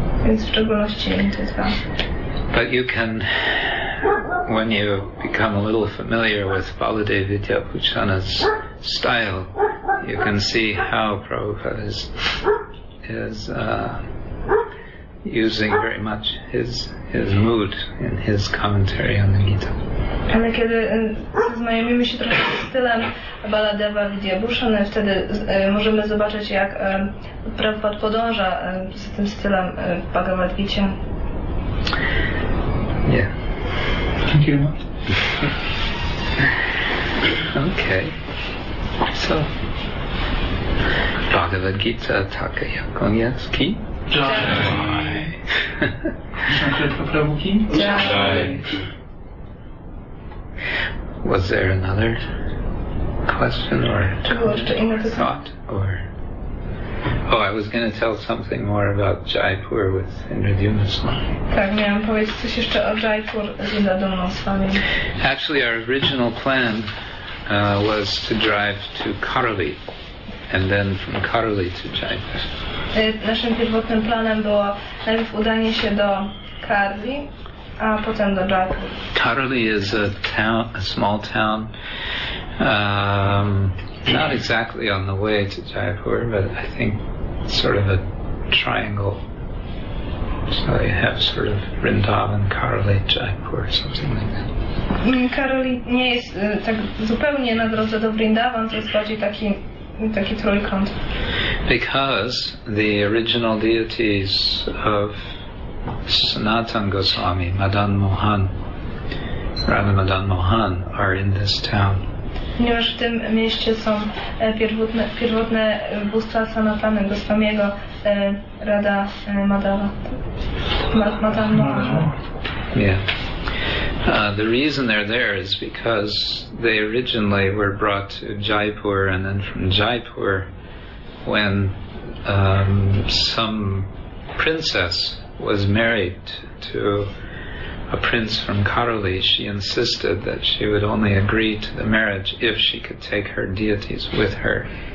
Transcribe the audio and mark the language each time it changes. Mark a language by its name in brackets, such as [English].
[English] But you can, when you become a little familiar with Baladeva Vidyabhushana's style, you can see how Prabhupada is using very much his mood in his commentary on the Gita. [Polish] Ale kiedy zaznajomimy się trochę z stylem Baladeva Vidyabhushan, wtedy możemy zobaczyć, jak Prabhupada podąża z tym stylem w Bhagavad Gita. [English] Yeah. Thank you. Okay. So, Bhagavad Gita, Taka Yakonyatsky. Jai. Shankarpa Prabhuki. Jai. Was there another question or thought? Or, oh, I was going to tell something more about Jaipur with Indradyumna Swami. Actually, our original plan was to drive to Karali and then from Karali to Jaipur. [Polish] Naszym pierwotnym planem było najpierw udanie się do Karali. [English] Karali is a town, a small town, not exactly on the way to Jaipur, but I think sort of a triangle. So you have sort of Vrindavan, Karali, Jaipur, something like that. [Polish] Karali nie jest tak zupełnie na drodze do Vrindavan, to jest bardziej taki trójkąt. [English] Because the original deities of Sanatan Goswami, Madan Mohan, Radha Madan Mohan are in this town. [Polish] Ponieważ w tym mieście są pierwotne bóstwa Sanatana Goswamiego, Radha Madan Mohan. [English] Yeah. The reason they're there is because they originally were brought to Jaipur, and then from Jaipur, when some princess was married to a prince from Karali, she insisted that she would only agree to the marriage if she could take her deities with her.